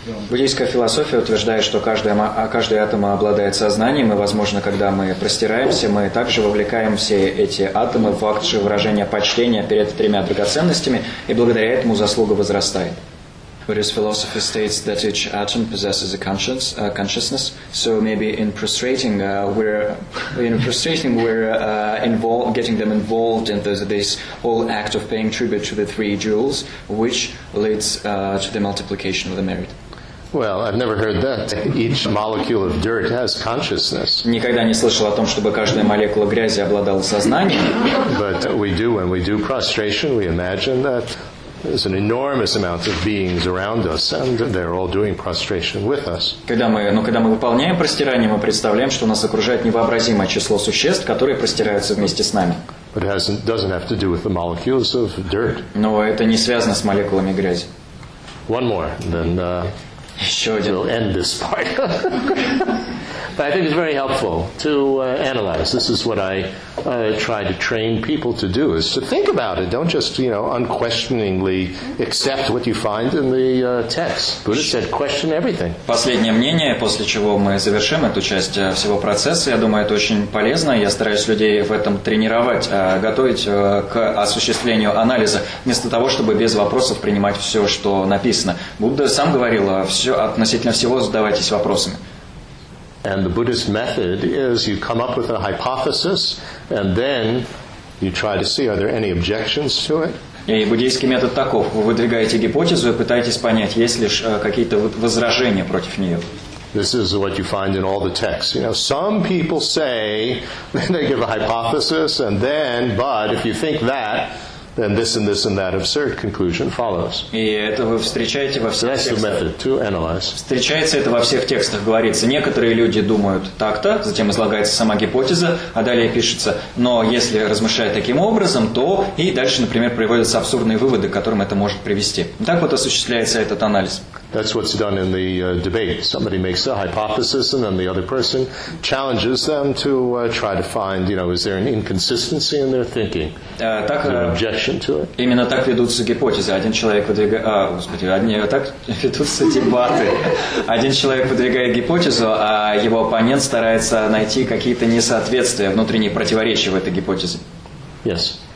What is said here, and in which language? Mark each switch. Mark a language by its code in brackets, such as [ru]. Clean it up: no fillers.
[ru] Буддийская философия утверждает, что каждый атом обладает сознанием, и, возможно, когда мы простираемся, мы также вовлекаем все эти атомы в акт же выражения почтения перед тремя драгоценностями, и благодаря этому заслуга возрастает. [en] Buddhist philosophy states that each atom possesses a consciousness. So maybe in prostrating, getting them involved in this whole act of paying tribute to the three jewels, which leads to the multiplication of the merit. Well, I've never heard that each molecule of dirt has consciousness. [ru] Никогда не слышал о том, чтобы каждая молекула грязи обладала сознанием. [en] But we do, when we do prostration, we imagine that there's an enormous amount of beings around us, and they're all doing prostration with us. [ru] Когда мы выполняем простирание, мы представляем, что нас окружает невообразимое число существ, которые простираются вместе с нами. [en] But it doesn't have to do with the molecules of dirt. [ru] Но это не связано с молекулами грязи. [en] One more, then. [ru] Еще один. [en] We'll end this part. But I think it's very helpful to analyze. This is what I try to train people to do, is to think about it. Don't just, you know, unquestioningly accept what you find in the text. Buddha said, question everything. [ru] Последнее мнение, после чего мы завершим эту часть всего процесса, я думаю, это очень полезно. Я стараюсь людей в этом тренировать, готовить к осуществлению анализа, вместо того, чтобы без вопросов принимать все, что написано. Будда сам говорил, все относительно всего задавайтесь вопросами. [en] And the Buddhist method is you come up with a hypothesis and then you try to see, are there any objections to it? [ru] И буддийский метод таков. Вы выдвигаете гипотезу и пытаетесь понять, есть ли какие-то возражения против нее. [en] This is what you find in all the texts. You know, some people say, they give a hypothesis and then, but if you think that, then this and this and that absurd conclusion follows. [ru] И это вы встречаете во всех текстах. [en] Method to analyze. [ru] Встречается это во всех текстах, говорится. Некоторые люди думают так-то, затем излагается сама гипотеза, а далее пишется, но если размышлять таким образом, то и дальше, например, приводятся абсурдные выводы, к которым это может привести. Так вот осуществляется этот анализ. [en] That's what's done in the debate. Somebody makes a hypothesis, and then the other person challenges them to try to find, you know, is there an inconsistency in their thinking? Is there an objection to it? [ru] Именно так ведутся гипотезы. Один человек выдвигает... так ведутся дебаты. Один человек выдвигает гипотезу, а его оппонент старается найти какие-то несоответствия, внутренние противоречия в этой гипотезе. [en] Yes.